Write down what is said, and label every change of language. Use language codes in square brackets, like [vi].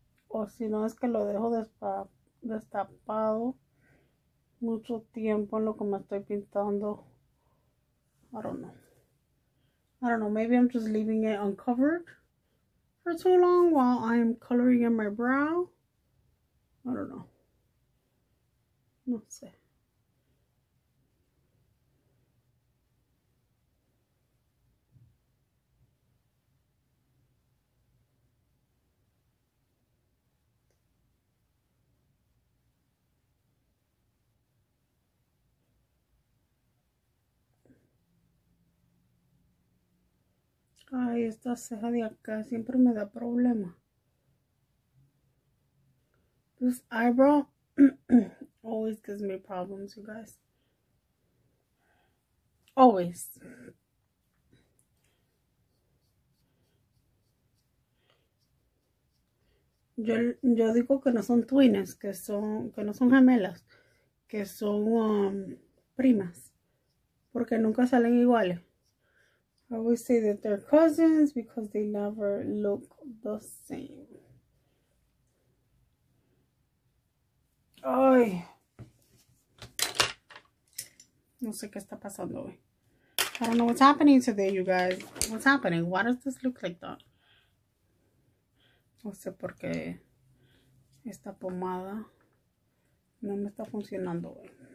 [es] O si no es que lo dejo destapado mucho tiempo en lo que me estoy pintando. [en] I don't know. I don't know, maybe I'm just leaving it uncovered for too long while I'm coloring in my brow. I don't know. [es] No sé. Ay, esta ceja de acá siempre me da problema. [en] This eyebrow always gives me problems, you guys. Always. [es] Yo digo que no son twins, que no son gemelas, que son primas, porque nunca salen iguales. [en] I always say that they're cousins because they never look the same. Ay. [es] No sé qué está pasando hoy. [en] I don't know what's happening today, you guys. What's happening? Why does this look like that? [es] No sé por qué esta pomada no me está funcionando hoy.